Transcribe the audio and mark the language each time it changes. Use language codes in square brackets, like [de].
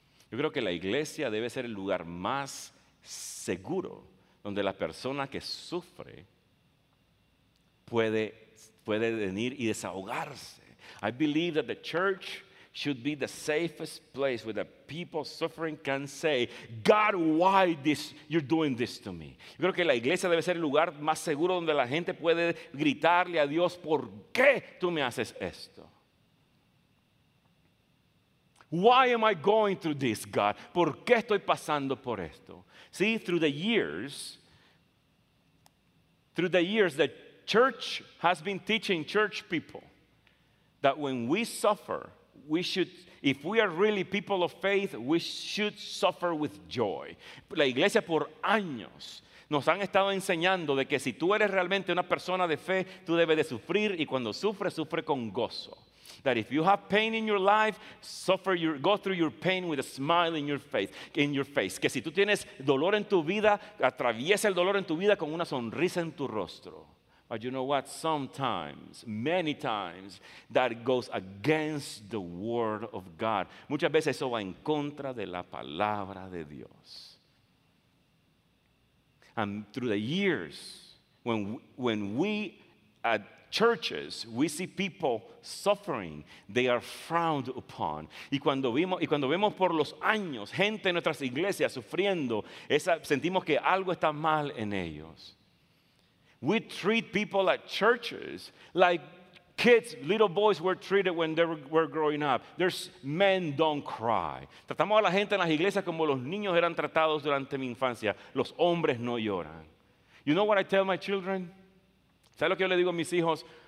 [es] Yo creo que la iglesia debe ser el lugar más seguro donde la persona que sufre puede venir y desahogarse. [en] I believe that the church should be the safest place where the people suffering can say, God, why this? You're doing this to me. [es] Yo creo que la iglesia debe ser el lugar más seguro donde la gente puede gritarle a Dios, ¿por qué tú me haces esto? [en] Why am I going through this, God? [es] ¿Por qué estoy pasando por esto? [en] See, through the years, the church has been teaching church people that when we suffer, we should, if we are really people of faith, we should suffer with joy. [es] La iglesia por años nos han estado enseñando de que si tú eres realmente una persona de fe, tú debes de sufrir, y cuando sufres, sufre con gozo. [en] That if you have pain in your life, go through your pain with a smile in your face. [es] Que si tú tienes dolor en tu vida, atraviesa el dolor en tu vida con una sonrisa en tu rostro. [en] But you know what? Sometimes, many times, that goes against the word of God. Muchas veces eso va en contra de la palabra de Dios. And through the years, when we at churches, we see people suffering, they are frowned upon. [es] Y cuando vemos por los años gente en nuestras iglesias sufriendo, sentimos que algo está mal en ellos. [en] We treat people at churches like kids, little boys were treated when they were growing up. There's men don't cry. [es] Tratamos a la gente en las iglesias como los niños eran tratados durante mi infancia. Los hombres no lloran. [en] You know what I tell my children? [es] ¿Sabes lo que yo le digo a mis hijos?